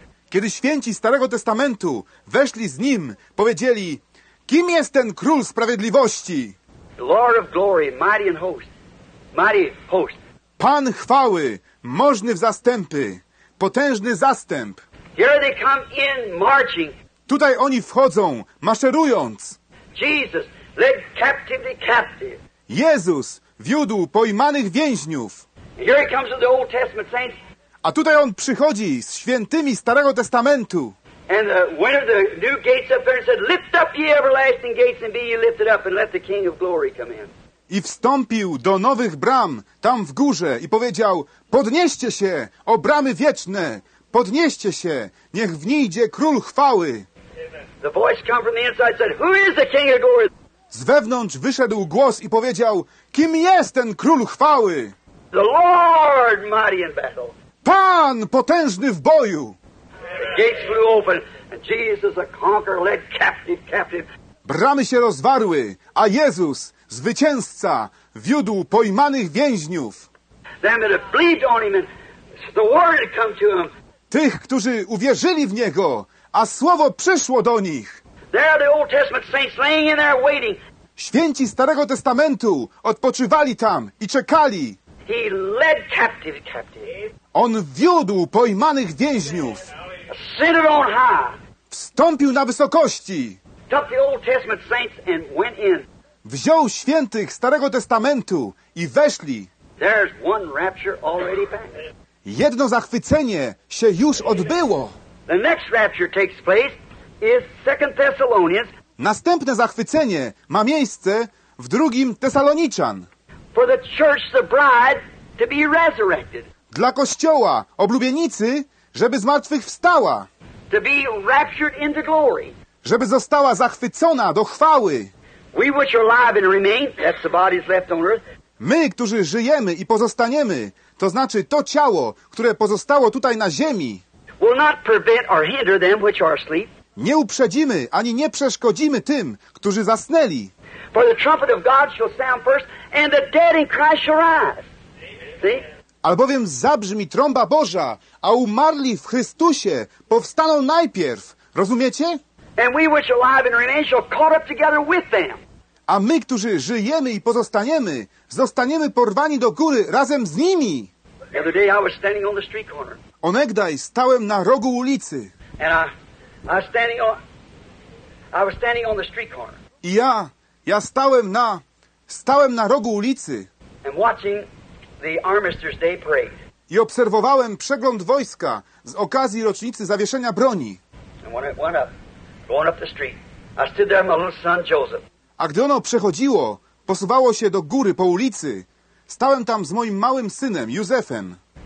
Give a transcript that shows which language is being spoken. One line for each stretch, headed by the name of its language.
Polish: Kiedy święci Starego Testamentu weszli z nim, powiedzieli: kim jest ten Król Sprawiedliwości?
English: Lord of glory, mighty and host. Mighty host.
Polish: Pan chwały, możny w zastępy, potężny zastęp.
English: Here they come in marching.
Polish: Tutaj oni wchodzą, maszerując.
English: Jesus led captive the captive.
Polish: Jezus wiódł pojmanych więźniów.
English: Here he comes with the Old Testament saints.
Polish: A tutaj on przychodzi z świętymi Starego Testamentu.
English: And the winner of the new gates up there and said, "Lift up ye everlasting gates and be ye lifted up, and let the King of glory come in."
Polish: I wstąpił do nowych bram tam w górze i powiedział: podnieście się, o bramy wieczne, podnieście się, niech w niej idzie Król chwały.
English: The voice come from the inside said, "Who is the King of glory?"
Polish: Z wewnątrz wyszedł głos i powiedział: kim jest ten Król chwały?
English: The Lord mighty in battle.
Polish: Pan potężny w boju.
English: The gates flew open and Jesus the conqueror led captive.
Polish: Bramy się rozwarły, a Jezus, zwycięzca, wiódł pojmanych więźniów.
English: Them that have believed on him and the word had come to him.
Polish: Tych, którzy uwierzyli w Niego, a Słowo przyszło do nich.
English: There are the Old Testament saints laying in there waiting.
Polish: Święci Starego Testamentu odpoczywali tam i czekali.
English: He led captive.
Polish: On wiódł pojmanych więźniów.
English: Ascended on high.
Polish: Wstąpił na wysokości.
English: Took the Old Testament saints and went in.
Polish: Wziął świętych Starego Testamentu i weszli.
English: There's one rapture already back.
Polish: Jedno zachwycenie się już odbyło.
English: The next rapture takes place is 2 Thessalonians.
Polish: Następne zachwycenie ma miejsce w 2 Tesaloniczan.
English: For the church, the bride, to be resurrected.
Polish: Dla kościoła, oblubienicy, żeby zmartwychwstała.
English: To be raptured into glory.
Polish: Żeby została zachwycona do chwały.
English: We which are alive and remain, that's the bodies left on earth.
Polish: My, którzy żyjemy i pozostaniemy, to znaczy to ciało, które pozostało tutaj na ziemi,
English: will not prevent or hinder them which are asleep.
Polish: Nie uprzedzimy ani nie przeszkodzimy tym, którzy zasnęli.
English: For the trumpet of God shall sound first, and the dead in Christ shall rise. See?
Polish: Albowiem zabrzmi trąba Boża, a umarli w Chrystusie powstaną najpierw. Rozumiecie?
English: And we which alive and remain shall caught up together with them.
Polish: A my, którzy żyjemy i pozostaniemy, zostaniemy porwani do góry razem z nimi.
English: The other day I was standing on the street corner.
Polish: Onegdaj stałem na rogu ulicy.
English: And I was standing on the street corner.
Polish: I ja stałem na rogu ulicy.
English: And watching the Armistice Day parade.
Polish: I obserwowałem przegląd wojska z okazji rocznicy zawieszenia broni.
English: And when it went up, going up the street, I stood there with my little son Joseph.
Polish: A gdy ono przechodziło, posuwało się do góry, po ulicy, stałem tam z moim małym synem, Józefem.